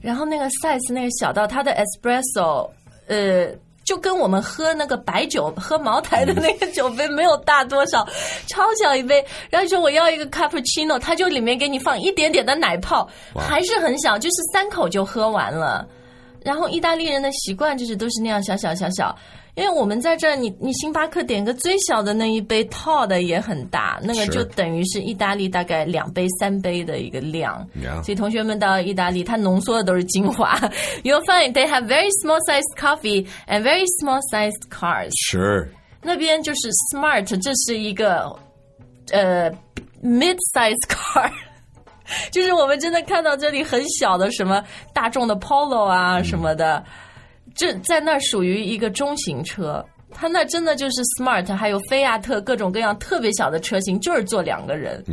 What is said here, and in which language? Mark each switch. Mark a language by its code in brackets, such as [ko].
[zh] 然后那个 size 那个小到它的 espresso, 就跟我们喝那个白酒喝茅台的那个酒杯没有大多少，超小一杯，然后说我要一个 cappuccino, 他就里面给你放一点点的奶泡，还是很小，就是三口就喝完了。然后意大利人的习惯就是都是那样小小小小，因为我们在这儿你星巴克点个最小的那一杯 tall 的也很大，那个就等于是意大利大概两杯三杯的一个量、 [en] yeah. [zh] 所以同学们到意大利它浓缩的都是精华。 [en] You'll find they have very small sized coffee and very small sized cars. Sure. [zh] 那边就是 smart, 这是一个mid sized car, 就是我们真的看到这里很小的什么大众的 Polo 啊什么的、这在那属于一个中型车，他那真的就是 smart, 还有菲亚特各种各样特别小的车型，就是坐两个人。